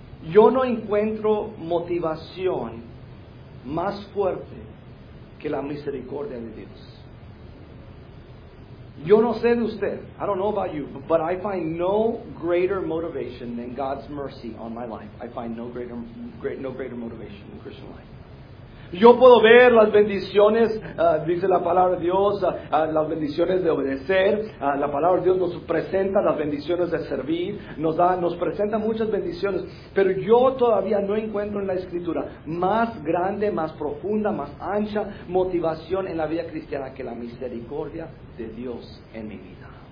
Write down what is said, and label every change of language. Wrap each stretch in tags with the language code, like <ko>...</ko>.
<es>Yo no encuentro motivación más fuerte que la misericordia de Dios. Yo no sé de usted,</es> <en>I don't know about you, but I find no greater motivation than God's mercy on my life. I find no greater motivation in Christian life.</en> <es>Yo puedo ver las bendiciones, dice la palabra de Dios, las bendiciones de obedecer, la palabra de Dios nos presenta las bendiciones de servir, nos presenta muchas bendiciones, pero yo todavía no encuentro en la Escritura más grande, más profunda, más ancha motivación en la vida cristiana que la misericordia de Dios en mi vida.</es>